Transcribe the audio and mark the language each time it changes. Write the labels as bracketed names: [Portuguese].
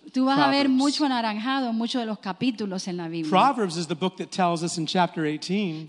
[Spanish] Tú vas [English] Proverbs. [Spanish] A ver mucho anaranjado en muchos de los capítulos en la Biblia. [English] Proverbs is the book that tells us in chapter 18.